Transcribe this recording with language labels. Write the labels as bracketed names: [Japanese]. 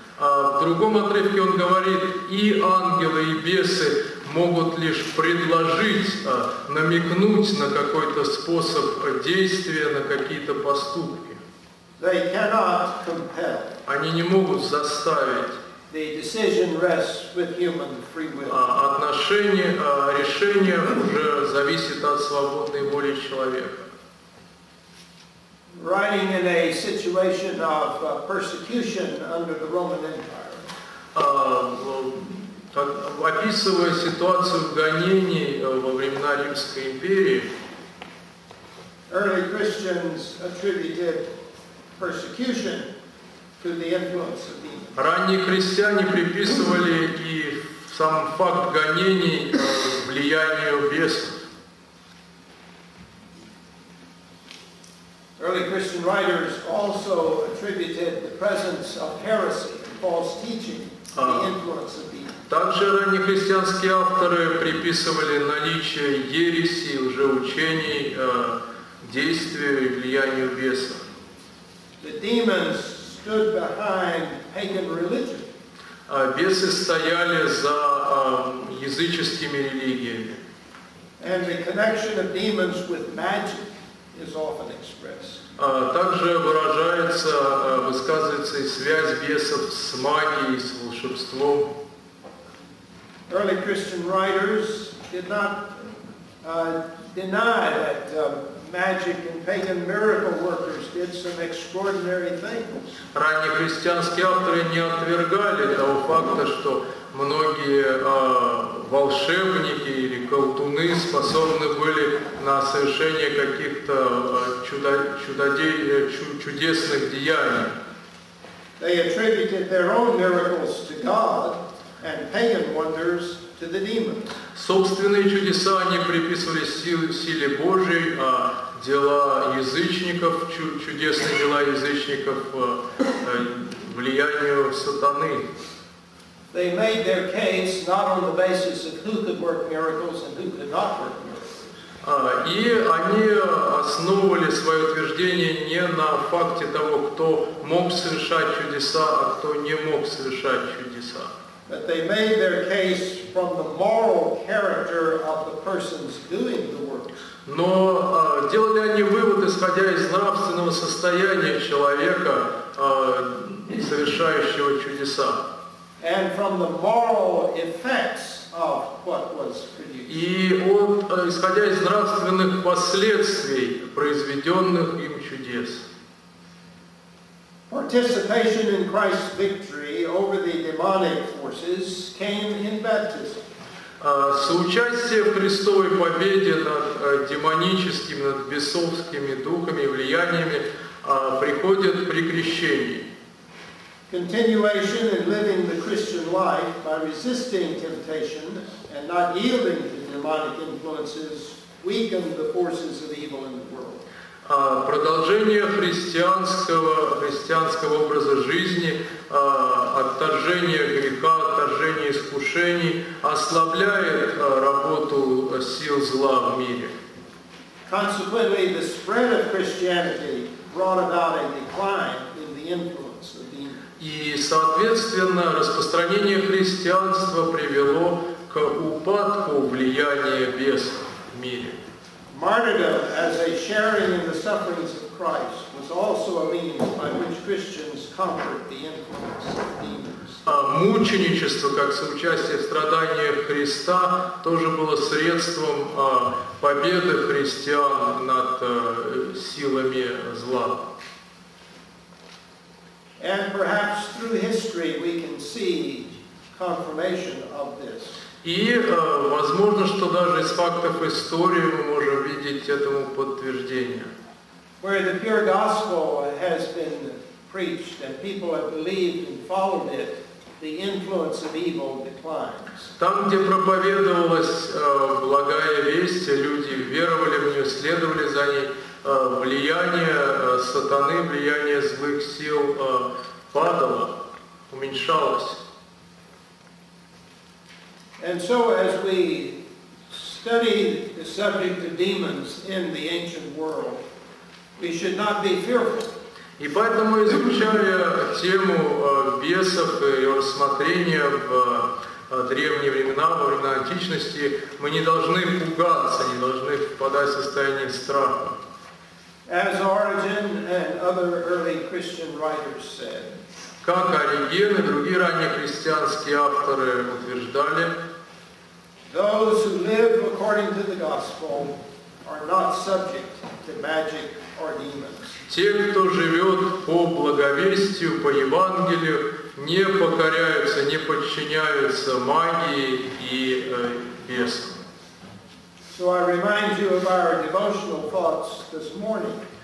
[Russian] В другом отрывке он говорит, и ангелы, и бесы могут лишь предложить, намекнуть на какой-то способ действия, на какие-то поступки. [English] They cannot compel. [Russian] Они не могут заставить. [English] The decision rests with human free will. [Russian] Отношение, решение уже зависит от свободной воли человека. [English] Writing in a situation of persecution under the Roman Empire. [Russian] Описывая ситуацию гонений во времена Римской империи. [English] Early Christians attributed persecution to the influence of demons. [Russian] Ранние христиане приписывали и сам факт гонений влиянию бесов. [English] Early Christian writers also attributed the presence of heresy and false teaching to the influence of demons. [Russian] Также раннехристианские авторы приписывали наличие ереси, лжеучений, действию и влиянию бесов. [English] The demons stood behind pagan religion. [Russian] Бесы стояли за языческими религиями. [English] And the connection of demons with magic is often expressed. [Russian] Также выражается, высказывается и связь бесов с магией, с волшебством. [English] Early Christian writers did not deny that magic and pagan miracle workers did some extraordinary things. [Russian] Раннехристианские авторы не отвергали того факта, что многие волшебники или колдуны способны были на совершение каких-то чудесных деяний. [English] They attributed their own miracles to God and pagan wonders to the demons. [Russian] Собственные чудеса они приписывали силе Божией, а дела язычников, чудесные дела язычников, влиянию сатаны. [English] They made their case not on the basis of who could work miracles and who could not work miracles. [Russian] И они основывали свое утверждение не на факте того, кто мог совершать чудеса, а кто не мог совершать чудеса. [English] But they made their case from the moral character of the persons doing the work. [Russian] Но делали они вывод, исходя из нравственного состояния человека, совершающего чудеса. [English] And from the moral effects of what was produced. [Russian] И от, исходя из нравственных последствий произведенных им чудес. [English] Participation in Christ's victory over the demonic forces came in baptism. [Russian] Соучастие в Христовой победе над демоническими, над бесовскими духами и влияниями приходит при крещении. [English] Continuation in living the Christian life by resisting temptation and not yielding to demonic influences weakened the forces of evil in the world. [Russian] Продолжение христианского образа жизни, отторжение греха, отторжение искушений ослабляет работу сил зла в мире. [English] Consequently, the spread of Christianity brought about a decline in the influence of the demons. [Russian] И, соответственно, распространение христианства привело к упадку влияния бесов в мире. [English] Martyrdom as a sharing in the sufferings of Christ was also a means by which Christians conquered the influence of demons. [Russian] Мученичество как соучастие в страданиях Христа тоже было средством победы христиан над силами зла. [English] And perhaps through history we can see confirmation of this. [Russian] И возможно, что даже из фактов истории мы можем видеть этому подтверждение. [English] Where the pure gospel has been preached and people have believed and followed it, the influence of evil declines. [Russian] Там, где проповедовалась благая весть, люди веровали в нее, следовали за ней, влияние сатаны, влияние злых сил падало, уменьшалось. [English] And so as we study the subject of demons in the ancient world, we should not be fearful. [Russian] И поэтому, изучая тему бесов и ее рассмотрение в древние времена, во времена античности, мы не должны пугаться, не должны впадать в состояние страха. [English] As Origen and other early Christian writers said, [Russian] как Ориген и другие ранние христианские авторы утверждали, [English] those who live according to the gospel are not subject to magic or demons. [Russian] Те, кто живет по благовестию, по Евангелию, не покоряются, не подчиняются магии и бесам. [English] So I remind you of our devotional thoughts this morning.